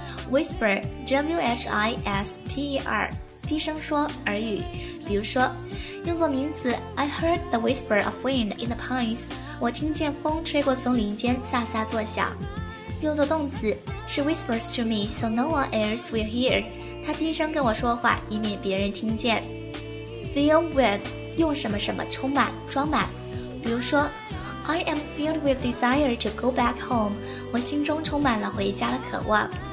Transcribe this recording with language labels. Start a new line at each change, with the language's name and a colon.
English: Whisper, W-H-I-S-P-E-R,
Chinese: 低声说耳语。比如说，用作名词
English: ,I heard the whisper of wind in the pines.
Chinese: 我听见风吹过松林间，飒飒作响。用作动词
English: ,She whispers to me so no one else will hear.
Chinese: 他低声跟我说话，以免别人听见。
English: Fill with,
Chinese: 用什么什么充满、装满。比如说
English: ,I am filled with desire to go back home.
Chinese: 我心中充满了回家的渴望。